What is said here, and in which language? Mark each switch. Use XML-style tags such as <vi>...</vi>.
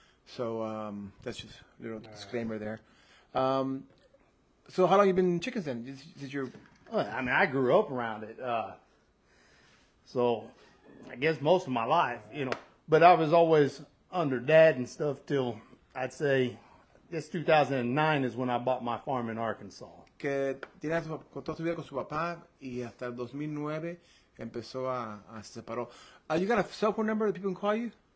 <en>So that's just a little disclaimer there. So how long have you been chickens then? I grew up around it. So I guess most of my life, you know. But I was always under dad and stuff till I'd say... This 2009 is when I bought my farm in Arkansas.</en> <es>Que tiene toda su vida con su papá y hasta el 2009 empezó a separó.</es> <en>You got a cell phone number that people can call you?</en>